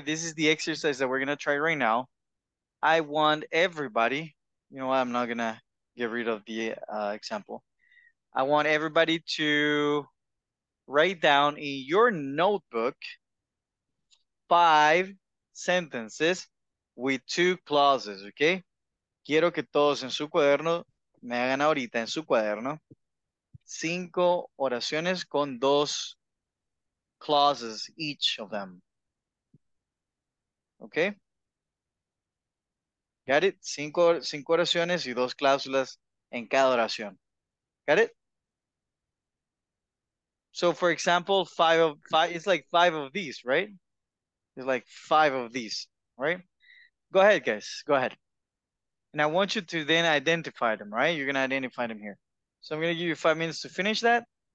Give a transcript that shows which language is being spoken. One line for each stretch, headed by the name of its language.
English: This is the exercise that we're going to try right now. I want everybody, you know what? I'm not going to get rid of the example. I want everybody to write down in your notebook five sentences with two clauses, okay?
Spanish: Quiero que todos en su cuaderno me hagan ahorita en su cuaderno cinco oraciones con dos clauses
English: each of them. Okay? Got it?
Spanish: Cinco oraciones y dos cláusulas en cada oración.
English: Got it? So for example, it's like five of these, right? Go ahead, guys. Go ahead. And I want you to then identify them, right? You're going to identify them here. So I'm going to give you 5 minutes to finish that.